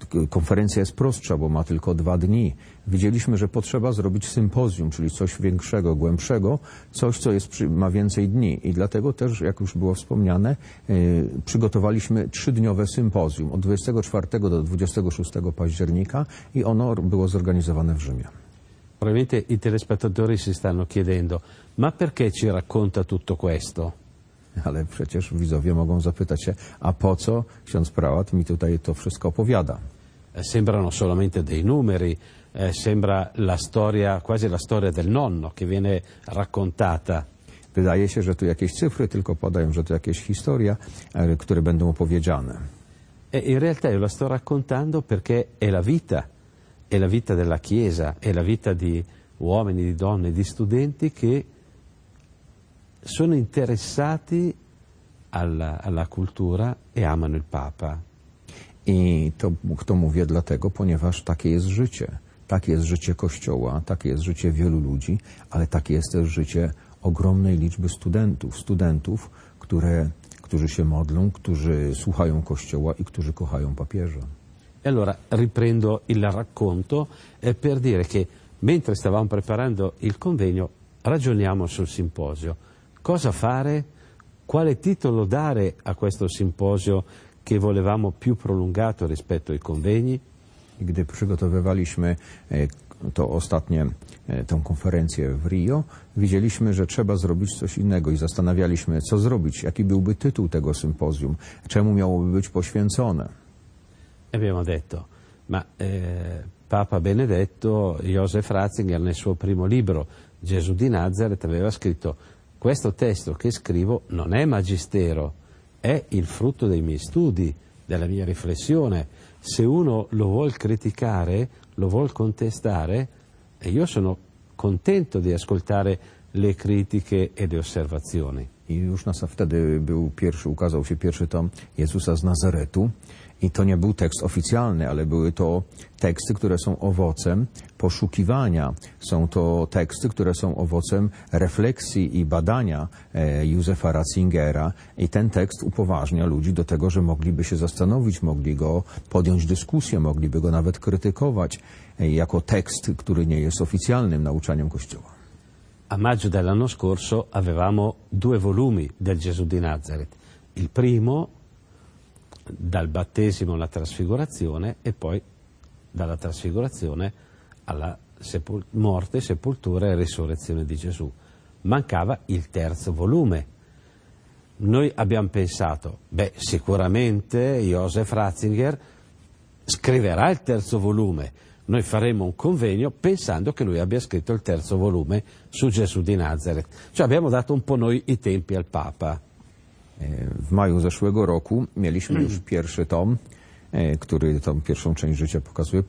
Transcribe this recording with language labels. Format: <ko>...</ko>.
<pl>Konferencja jest prostsza, bo ma tylko dwa dni. Widzieliśmy, że potrzeba zrobić sympozjum, czyli coś większego, głębszego, coś, co jest, ma więcej dni. I dlatego też, jak już było wspomniane, przygotowaliśmy trzydniowe sympozjum od 24 do 26 października i ono było zorganizowane w Rzymie.</pl> <it>Probabilmente i telespettatori si stanno chiedendo, ma perché ci racconta tutto questo?</it> <pl>Ale przecież widzowie mogą zapytać się, a po co ksiądz prałat mi tutaj to wszystko opowiada?</pl> <it>Sembrano solamente dei numeri, sembra la storia, quasi la storia del nonno che viene raccontata.</it> <pl>Wydaje się, że tu jakieś cyfry tylko podają, że to jakieś historia, które będą opowiedziane.</pl> <it>E in realtà io la sto raccontando perché è la vita. È la vita della Chiesa, è la vita di uomini, di donne, di studenti che sono interessati alla cultura e amano il Papa.</it> <pl>I to mówię dlatego, ponieważ takie jest życie. Takie jest życie Kościoła, takie jest życie wielu ludzi, ale takie jest też życie ogromnej liczby studentów. Studentów, którzy się modlą, którzy słuchają Kościoła i którzy kochają papieża.</pl> <it>E allora riprendo il racconto per dire che mentre stavamo preparando il convegno ragioniamo sul simposio. Cosa fare? Quale titolo dare a questo simposio che volevamo più prolungato rispetto ai convegni?</it> <pl>Gdy przygotowywaliśmy to ostatnie, tą konferencję w Rio, widzieliśmy, że trzeba zrobić coś innego i zastanawialiśmy, co zrobić, jaki byłby tytuł tego sympozjum, czemu miałoby być poświęcone.</pl> <it>Abbiamo detto, ma Papa Benedetto, Joseph Ratzinger, nel suo primo libro, Gesù di Nazareth, aveva scritto, questo testo che scrivo non è magistero, è il frutto dei miei studi, della mia riflessione. Se uno lo vuol criticare, lo vuol contestare, io sono contento di ascoltare le critiche e le osservazioni.</it> <pl>I już wtedy ukazał się pierwszy tom Jezusa z Nazaretu. I to nie był tekst oficjalny, ale były to teksty, które są owocem poszukiwania. Są to teksty, które są owocem refleksji i badania Józefa Ratzingera. I ten tekst upoważnia ludzi do tego, że mogliby się zastanowić, mogli go podjąć dyskusję, mogliby go nawet krytykować jako tekst, który nie jest oficjalnym nauczaniem Kościoła.</pl> <it>A maggio dell'anno scorso avevamo due volumi del Gesù di Nazaret. Il primo, dal battesimo alla trasfigurazione, e poi dalla trasfigurazione alla morte, sepoltura e risurrezione di Gesù. Mancava il terzo volume. Noi abbiamo pensato, sicuramente Josef Ratzinger scriverà il terzo volume. Noi faremo un convegno pensando che lui abbia scritto il terzo volume su Gesù di Nazareth. Cioè abbiamo dato un po' noi i tempi al Papa.</it> <pl>W maju zeszłego roku mieliśmy już pierwszy tom, który tą pierwszą część życia pokazuje.</pl>